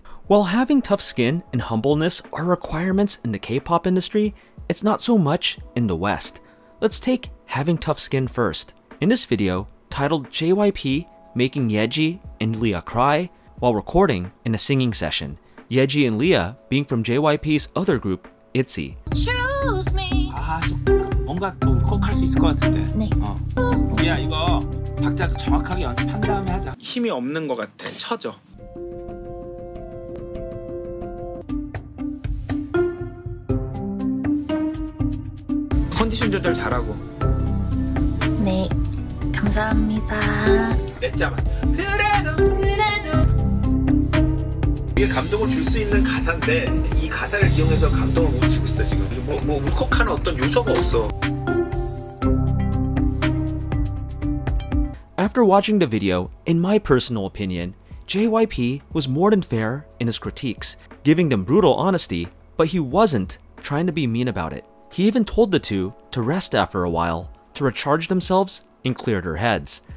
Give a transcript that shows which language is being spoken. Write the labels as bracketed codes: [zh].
[en] While having tough skin and humbleness are requirements in the K-pop industry, it's not so much in the West. Let's take having tough skin first. In this video, titled JYP Making Yeji and Leah Cry, while recording in a singing session, Yeji and Leah being from JYP's other group, ITZY. Choose me. [ko] Ah, 뭔가 좀 호흡할 수 있을 것 같은데. 네. 야, 이거 박자도 정확하게 연습한 다음에 하자. 힘이 없는 것 같아. 쳐줘. 컨디션 조절 잘하고. 네. 감사합니다. 몇 자만. 그래도 그래도 이게 감동을 줄 수 있는 가사인데 이 가사를 이용해서 감동을 못 주고 있어 지금 뭐 울컥하는 어떤 요소가 없어 [en] After watching the video, in my personal opinion, JYP was more than fair in his critiques, giving them brutal honesty, but he wasn't trying to be mean about it. He even told the two to rest after a while, to recharge themselves and clear their heads.